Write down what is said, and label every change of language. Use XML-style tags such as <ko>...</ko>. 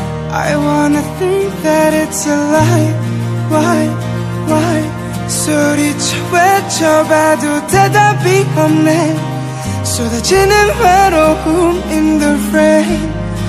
<en>I wanna think that it's a lie.</en> <ko>Why 소리쳐 외쳐봐도 대답이 없네. 쏟아지는 외로움</ko> <en>in the rain.</en>